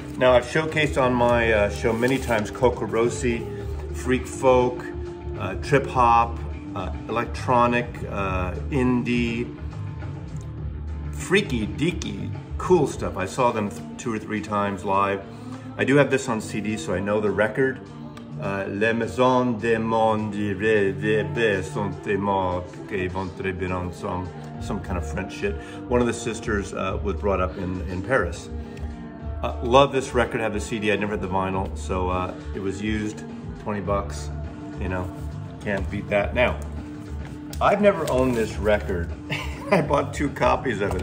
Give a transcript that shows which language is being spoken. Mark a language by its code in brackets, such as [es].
[en] Now, I've showcased on my show many times Coco Rossi, freak folk, trip hop, electronic, indie, freaky, deaky, cool stuff. I saw them two or three times live. I do have this on CD, so I know the record. [fr] Les maisons de mon rêve sont des morts qui vont très bien ensemble. [en] Some kind of French shit. One of the sisters was brought up in Paris. Love this record. I have the CD. I never had the vinyl. So it was used. $20. You know, can't beat that. Now, I've never owned this record. I bought two copies of it.